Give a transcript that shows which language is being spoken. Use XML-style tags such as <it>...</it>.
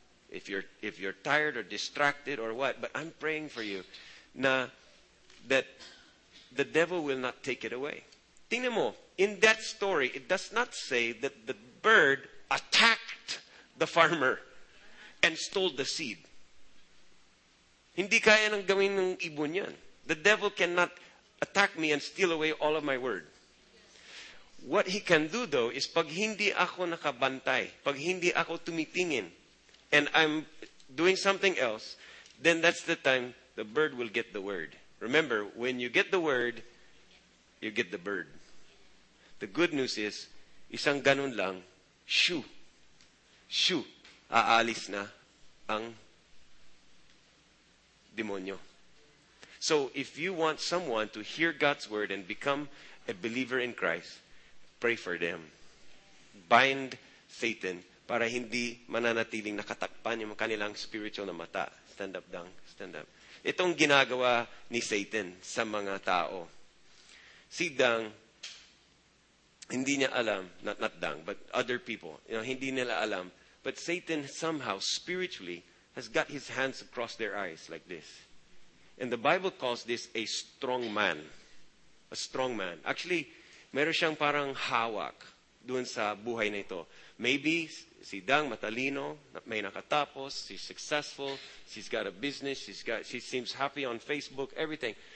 <en>If you're tired or distracted or what, but I'm praying for you that the devil will not take it away.</en> <tl>Tingnan mo,</tl> <en>in that story, it does not say that the bird attacked the farmer and stole the seed.</en> <tl>Hindi kaya nang gawin ng ibon yan.</tl> <en>The devil cannot attack me and steal away all of my word. What he can do though is</en> <tl>pag hindi ako nakabantay, pag hindi ako tumitingin,</tl> <en>and I'm doing something else, then that's the time the bird will get the word. Remember, when you get the word, you get the bird. The good news is,</en> <tl>isang ganun lang, shoo, aalis na ang demonyo.</tl> <en>So if you want someone to hear God's word and become a believer in Christ, pray for them. Bind Satan</en> <tl>para hindi mananatiling nakatakpan yung kanilang spiritual na mata.</tl> <en>Stand up, Dang. Stand up.</en> <tl>Itong ginagawa ni Satan sa mga tao. Si Dang, hindi niya alam,</tl> <en>not Dang, but other people, you know,</en> <tl>hindi nila alam,</tl> <en>but Satan somehow, spiritually, has got his hands across their eyes like this. And the Bible calls this a strong man. A strong man.</en> <tl>Actually, meron siyang parang hawak doon sa buhay na ito.</tl> <en>Maybe</en> <tl>si Dang matalino, may nakatapos,</tl> <en>she's successful, she's got a business, she seems happy on Facebook, everything.</en>